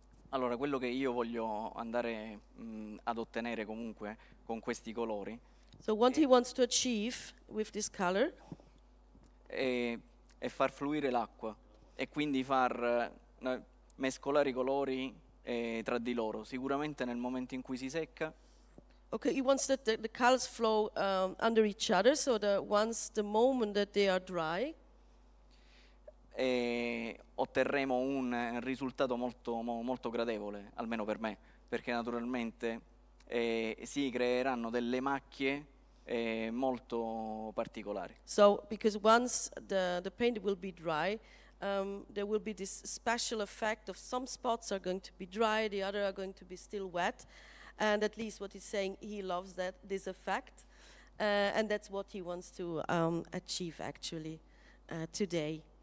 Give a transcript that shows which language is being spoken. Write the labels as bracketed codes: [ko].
[it] Allora, quello che io voglio andare ad ottenere comunque con questi colori. [en] So what he wants to achieve with this color? [it] È far fluire l'acqua e quindi far mescolare i colori tra di loro, sicuramente nel momento in cui si secca. [en] Okay, he wants that the colors flow under each other, so that once the moment that they are dry. [it] E otterremo un risultato molto molto gradevole, almeno per me, perché naturalmente si creeranno delle macchie molto particolari. [en] So, because once the paint will be dry, there will be this special effect of some spots are going to be dry, the other are going to be still wet, and at least what he's saying, he loves that this effect, and that's what he wants to achieve actually today.